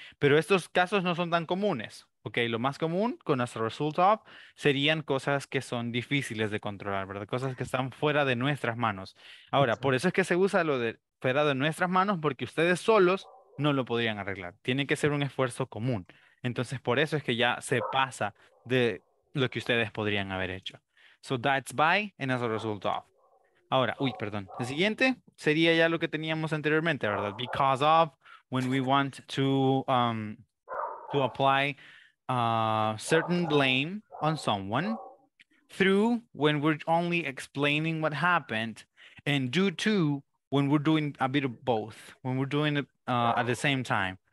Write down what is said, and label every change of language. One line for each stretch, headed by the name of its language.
Spanish: Pero estos casos no son tan comunes, ¿ok? Lo más común con as a result of serían cosas que son difíciles de controlar, ¿verdad? Cosas que están fuera de nuestras manos. Ahora, por eso es que se usa lo de fuera de nuestras manos, porque ustedes solos no lo podrían arreglar. Tiene que ser un esfuerzo común. Entonces, por eso es que ya se pasa de lo que ustedes podrían haber hecho.
English: So that's by and as a result of.
Spanish: Ahora, el siguiente sería ya lo que teníamos anteriormente, ¿verdad?
English: Because of, when we want to apply certain blame on someone, through, when we're only explaining what happened, and due to, when we're doing a bit of both, when we're doing it at the same time.